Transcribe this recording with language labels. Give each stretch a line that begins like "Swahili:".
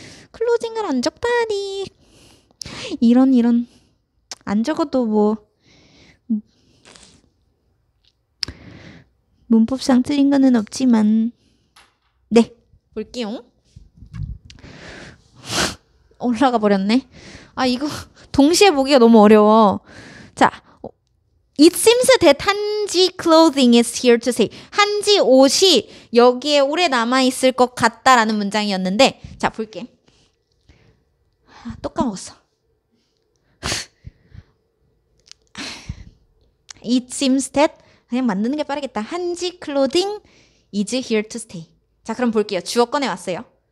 Korean: 클로징을 안 적다니. 이런, 이런. 안 적어도 뭐. 문법상 틀린 거는 없지만. 네, 볼게용. 올라가 버렸네. 아, 이거 동시에 보기가 너무 어려워.
English: 자, It seems that 한지 clothing is here to stay.
Korean: 한지 옷이 여기에 오래 남아있을 것 같다라는 문장이었는데, 자, 볼게. 아, 또 까먹었어.
English: It seems that
Korean: 그냥 만드는 게 빠르겠다. 한지 클로딩
English: is here to stay.
Korean: 자, 그럼 볼게요. 주어 꺼내왔어요.